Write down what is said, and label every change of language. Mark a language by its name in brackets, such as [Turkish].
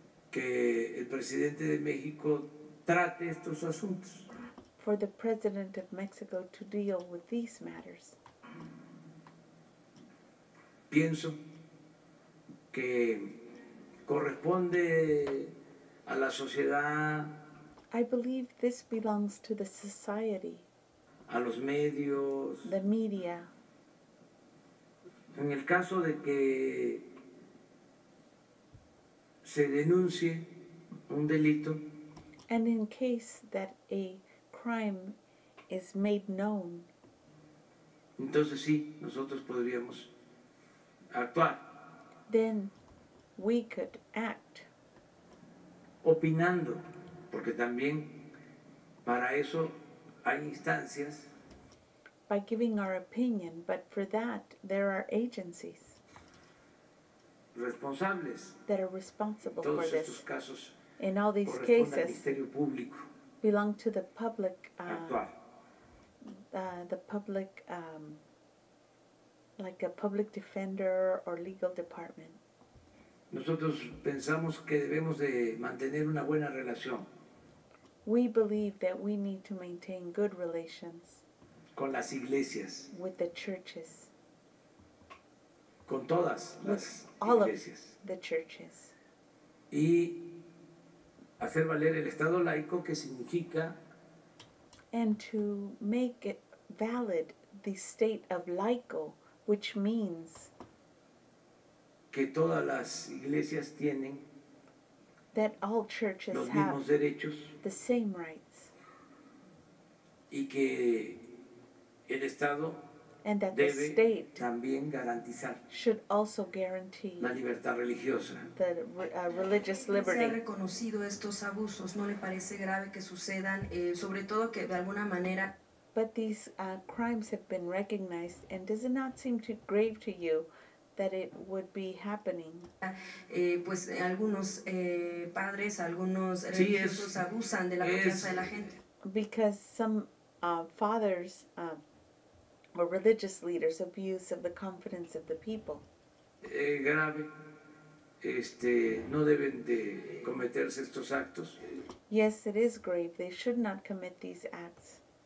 [Spanish] Que el presidente de México trate estos asuntos. [English] For the president of Mexico to deal with these matters. [Spanish] Pienso que corresponde a la sociedad. [English] I believe this belongs to the society. [Spanish] A los medios. [English] The media. [Spanish] En el caso de que se denuncie un delito. [English] And in case that a crime is made known. [Spanish] Entonces sí, nosotros podríamos actuar. [English] Then we could act. [Spanish] Opinando, porque también para eso hay instancias. [English] By giving our opinion, but for that there are agencies. [Spanish] Responsables. [English] That are responsible for this. [Spanish] Todos estos casos. [English] In all these cases. [Spanish] Corresponde al Ministerio Público. [English] Belong to the public. [Spanish] Actuar. [English] The public. Like a public defender or legal department. [Spanish] Nosotros pensamos que debemos de mantener una buena relación. [English] We believe that we need to maintain good relations. [Spanish] Con las iglesias. [English] With the churches. [Spanish] Con todas las iglesias. [English] All of the churches. [Spanish] Y hacer valer el Estado laico, que significa. [English] And to make it valid the state of laico. Which means [Spanish] que todas las iglesias tienen [English] that all churches [Spanish] los mismos derechos, [English] the same rights, [Spanish] y que el Estado [English] and that [Spanish] debe [English] the state [Spanish] también garantizar [English] should also guarantee [Spanish] la libertad religiosa, [English] the religious liberty. [Spanish] ¿Se ha reconocido estos abusos? ¿No le parece grave que sucedan? Sobre todo que de alguna manera. [English] But these crimes have been recognized, and does it not seem too grave to you that it would be happening? [Spanish] Pues algunos padres, algunos religiosos abusan de la confianza de la gente. [English] Because some fathers or religious leaders abuse of the confidence of the people. [Spanish] Grave. No deben de cometerse estos actos. [English] Yes, it is grave. They should not commit these acts.